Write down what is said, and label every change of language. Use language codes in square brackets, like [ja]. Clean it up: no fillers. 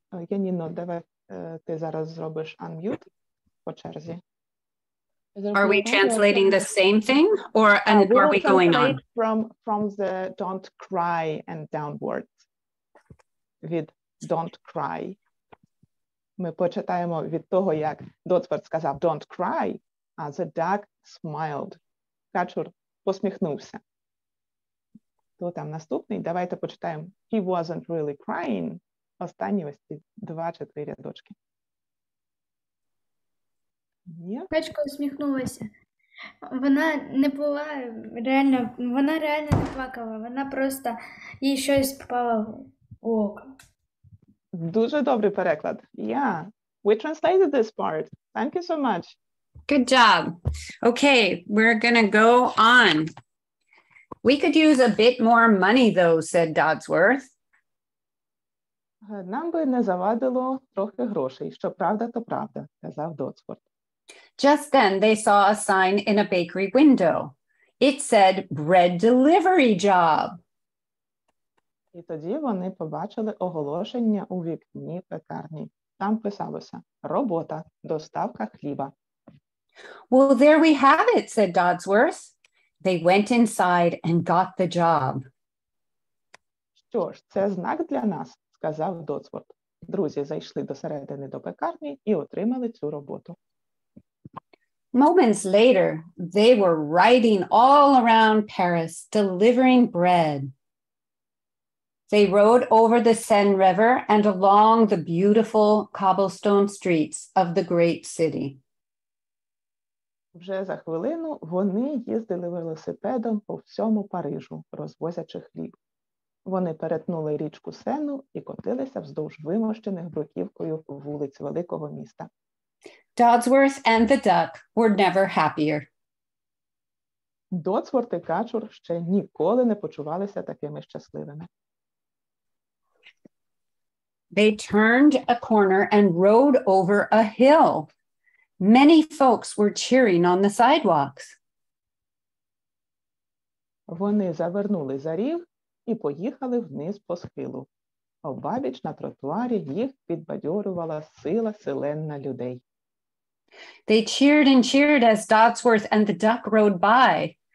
[uk] Яніно, давай ти зараз зробиш unmute по черзі. [en] Are we translating the same thing or and are we going on? From the don't cry and downward. [uk] Від [en] don't cry. [uk] Ми почитаємо від того, як Дотсберт сказав don't cry, а [en] the duck smiled. [uk] Качур посміхнувся. То там наступний. Давайте почитаємо. [en] He wasn't really crying. [uk] Останні ось ці два чи три рядочки. Качка усміхнулася. Вона не була реально, вона реально не плакала. Вона просто їй щось попало в око. Дуже добрий переклад. [en] Yeah, we translated this part. Thank you so much. Good job. Okay, we're gonna go on. We could use a bit more money though, said Dodsworth. [uk] Нам би не завадило трохи грошей, що правда, то правда, казав Дотсворт. [en] Just then they saw a sign in a bakery window. It said bread delivery job. [uk] І тоді вони побачили оголошення у вікні пекарні. Там писалося «Робота, доставка хліба». [en] «Well, there we have it», – said Dodsworth. They went inside and got the job. [uk] «Що ж, це знак для нас», – сказав Дотсворт. Друзі зайшли досередини до пекарні і отримали цю роботу. [en] Moments later, they were riding all around Paris, delivering bread. They rode over the Seine River and along the beautiful cobblestone streets of the great city. [uk] Вже за хвилину вони їздили велосипедом по всьому Парижу, розвозячи хліб. Вони перетнули річку Сену і котилися вздовж вимощених бруківкою вулиць великого міста. [en] Dodsworth and the duck were never happier. [uk] Dodsworth і Качур ще ніколи не почувалися такими щасливими. [en] They turned a corner and rode over a hill. Many folks were cheering on the sidewalks. [uk] Вони завернули за ріг і поїхали вниз по схилу. Обабіч на тротуарі їх підбадьорювала сила селена людей. [en] They cheered and cheered as Dodsworth and the duck rode by.